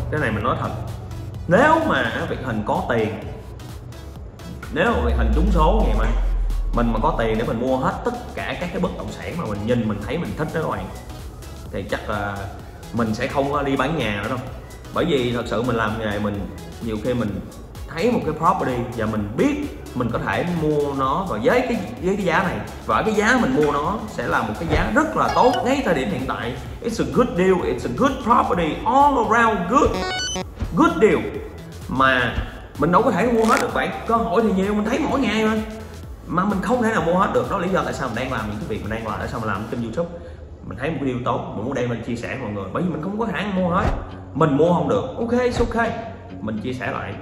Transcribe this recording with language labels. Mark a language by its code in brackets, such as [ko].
[vi] Cái này mình nói thật, nếu mà Việt Thịnh có tiền, nếu mà Việt Thịnh trúng số vậy mà mình mà có tiền để mình mua hết tất cả các cái bất động sản mà mình nhìn mình thấy mình thích đó các bạn, thì chắc là mình sẽ không đi bán nhà nữa đâu. Bởi vì thật sự mình làm nghề mình, nhiều khi mình thấy một cái property và mình biết mình có thể mua nó và với cái giá này, và cái giá mình mua nó sẽ là một cái giá rất là tốt ngay thời điểm hiện tại. [en] It's a good deal, it's a good property, all around good, good deal. [vi] Mà mình đâu có thể mua hết được bạn, cơ hội thì nhiều, mình thấy mỗi ngày thôi mà mình không thể nào mua hết được. Đó là lý do tại sao mình đang làm những cái việc mình đang làm, tại sao mình làm trên YouTube. Mình thấy một cái điều tốt, mình muốn đem lên chia sẻ với mọi người. Bởi vì mình không có khả năng mua hết, mình mua không được, ok, it's ok, mình chia sẻ lại.